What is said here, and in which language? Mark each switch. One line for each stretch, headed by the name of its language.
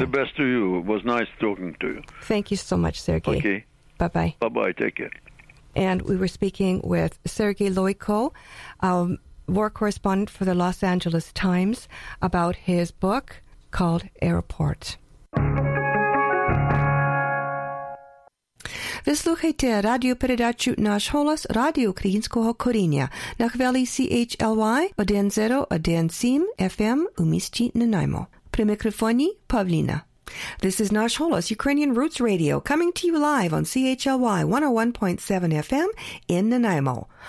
English: the best to you. It was nice talking to you. Thank you so much, Sergei. Okay. Bye-bye. Bye-bye. Take care. And we were speaking with Sergei Loiko, war correspondent for the Los Angeles Times, about his book called Airport.
Ukrainian: Ви слухайте радіопередачу «Наш голос» Радіо Українського коріння на хвилі CHLY 101.7 FM у місті Нанаймо. При мікрофоні Павліна.
English: This is Nash Holos, Ukrainian Roots Radio, coming to you live on CHLY 101.7 FM in Nanaimo.